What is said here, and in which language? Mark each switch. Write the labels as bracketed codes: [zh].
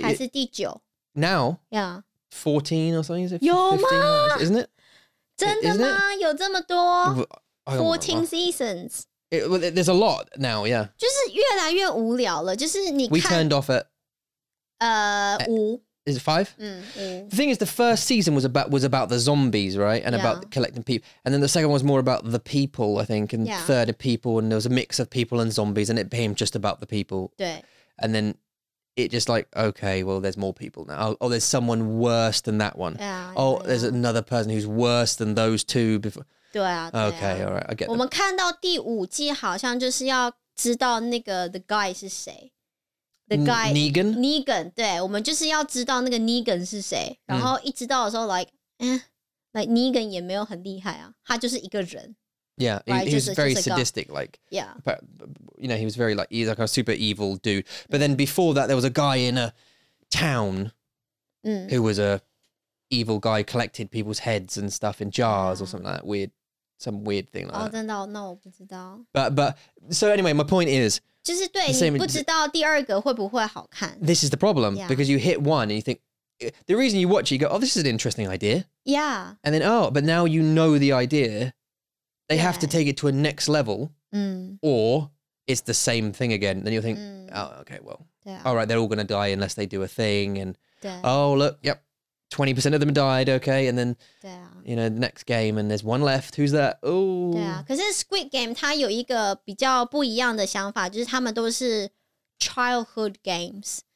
[zh] 还是第九. [en] Now, yeah, 14 or something is it? [zh] 有吗？ [en] Isn't it? [zh] 真的吗？有这么多 [en] 14 seasons? There's a lot now, yeah. [zh] 就是越来越无聊了，就是你看。 [en] We turned off at [zh] 五. [en] Is it 5? [zh] 嗯，五. [en] The thing is, the first season was about the zombies, right? And about collecting people. And then the second one was more about the people, I think. And third of people, and there was a mix of people and zombies, and it became just about the people. [zh] 对. [en] And then it just like, okay, well, there's more people now. Oh, there's someone worse than that one. There's another person who's worse than those two before. [zh] 对啊, [en] okay, all right, I get it. [zh] 我们看到第五季好像就是要知道那个 [en] the guy [zh] 是谁。 [en] The guy. Negan? [zh] Negan, 对,我们就是要知道那个 Negan 是谁。然后一直到的时候, like Negan 也没有很厉害啊,他就是一个人。 [en] Yeah, right? he was just very sadistic, like, yeah. But, you know, he was very, like, he's like a super evil dude. But then before that, there was a guy in a town who was a evil guy, collected people's heads and stuff in jars or something like that, weird, some weird thing like that. [zh] 真的哦,那我不知道。 [en] But, so anyway, my point is, [zh] 就是对,你不知道第二个会不会好看。 [en] This is the problem, because you hit one and you think, the reason you watch it, you go, oh, this is an interesting idea. Yeah. And then, oh, but now you know the idea. They have to take it to a next level, or it's the same thing again. Then you'll think, oh, okay, well, all right, they're all going to die unless they do a thing. And, oh, look, yep, 20% of them died, okay. And then, you know, the next game and there's one left. Who's that? Oh. [zh] Yeah, because Squid Game, 它有一个比较不一样的想法,就是他们都是 [en] childhood games.